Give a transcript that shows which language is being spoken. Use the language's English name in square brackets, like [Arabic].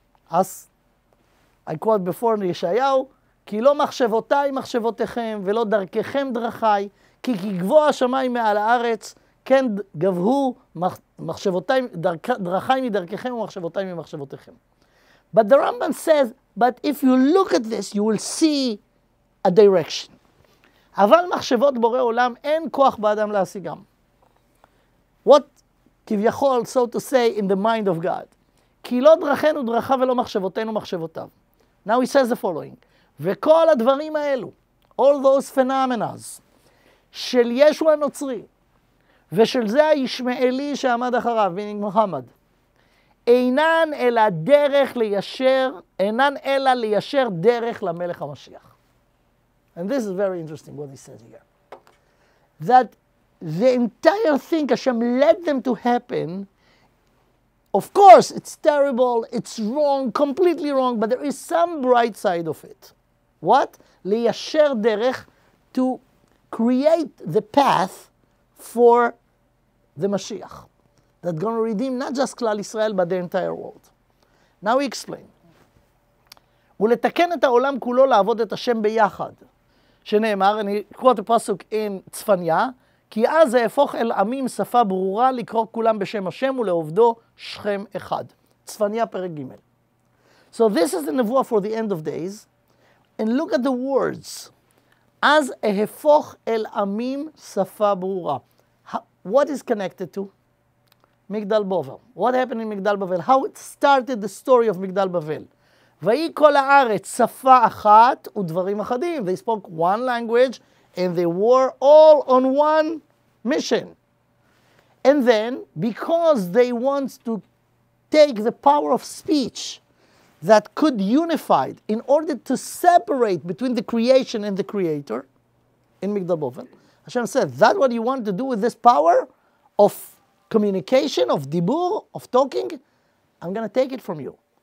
[English] As I quote before in Yeshayahu, [Hebrew] ki lo machshevotai machshevotechem velo darkechem drachai, ki kigvoh ha'shamayim me'al ha'aretz, ken gavhu מחשבותיי דרכי מדרככם ומחשבותיי ממחשבותיכם. [English] But the Rambam says, but if you look at this, you will see a direction. [Hebrew] אבל מחשבות בורא עולם אין כוח באדם להשיגם. [English] What, [Hebrew] כביכול, [English] so to say, in the mind of God. [Hebrew] כי לא דרכנו דרכה ולא מחשבותינו מחשבותיו. [English] Now he says the following. [Hebrew] וכל הדברים האלו, [English] all those phenomenas, [Hebrew] של ישו הנוצרי, ושל זה הישמעאלי שעמד אחריו, [English] meaning Muhammad, [Hebrew] אינן אלא דרך ליישר, אינן אלא ליישר דרך למלך המשיח. [English] And this is very interesting what he says here. That the entire thing Hashem led them to happen, of course, it's terrible, it's wrong, completely wrong, but there is some bright side of it. What? [Hebrew] Liyasher derech, [English] to create the path for the Mashiach. That's going to redeem not just Klal Yisrael, but the entire world. Now we explain. [Hebrew] Ulitaken et ha'olam kulo la'avod et Hashem beyachad. שנאמר, אני אקרוא את הפסוק עם צפניה, כי אז אהפוך אל עמים שפה ברורה לקרוא כולם בשם השם ולעובדו שכם אחד. צפניה פרק ג' [English] So this is the nevuah for the end of days. And look at the words. [Hebrew] אז אהפוך אל עמים שפה ברורה. [English] What is connected to? מגדל בבל. What happened in מגדל בבל? How it started the story of מגדל בבל. [Hebrew] ויהי כל הארץ שפה אחת ודברים אחדים. [English] They spoke one language and they were all on one mission. And then, because they want to take the power of speech that could unify in order to separate between the creation and the creator, in Migdal Boven, Hashem said, that what you want to do with this power of communication, of dibur, of talking? I'm going to take it from you.